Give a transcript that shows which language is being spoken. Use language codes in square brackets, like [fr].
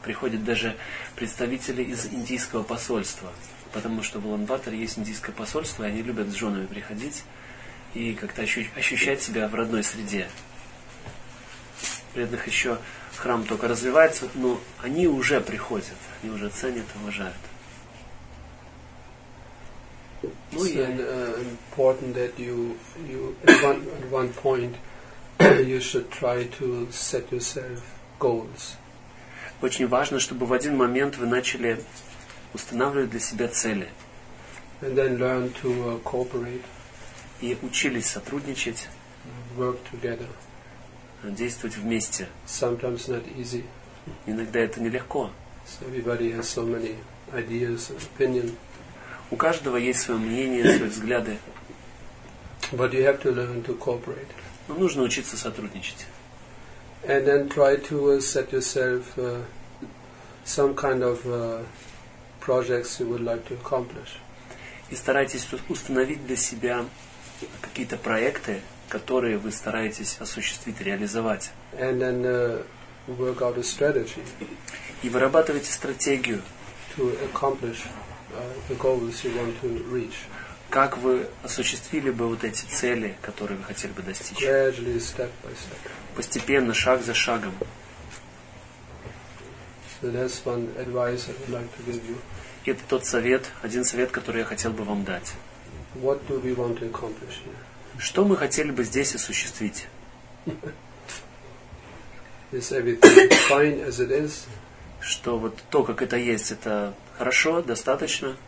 [ru] Приходят даже представители из индийского посольства, потому что в Улан-Баторе есть индийское посольство, и они любят с женами приходить и как-то ощущать себя в родной среде. Преданных еще храм только развивается, но они уже приходят, они уже ценят, уважают. Ну, я... [en] important that you at one point you should try to set yourself goals. [ru] Очень важно, чтобы в один момент вы начали устанавливать для себя цели. [en] And then learn to cooperate. [ru] И учились сотрудничать. [en] Work together. [ru] Действовать вместе. [en] Sometimes not easy. [ru] Иногда это нелегко. [en] So everybody has so many ideas and opinion. [ru] У каждого есть свое мнение, свои взгляды. [en] But you have to learn to cooperate. [ru] Но нужно учиться сотрудничать. [en] And then try to set yourself some kind of projects you would like to accomplish. [ru] И старайтесь установить для себя какие-то проекты, которые вы стараетесь осуществить, реализовать. [en] And then work out a strategy. [ru] И вырабатывайте стратегию. [en] To accomplish the goals you want to reach. [ru] Как вы осуществили бы вот эти цели, которые вы хотели бы достичь? [en] Gradually, step by step. [ru] Постепенно, шаг за шагом. [en] So that's one advice I would like to give you. [ru] Это тот совет, один совет, который я хотел бы вам дать. [en] What do we want to accomplish here? [ru] Что мы хотели бы здесь осуществить? [en] Is everything fine as it is? [ru] Что вот то, как это есть, это хорошо, достаточно?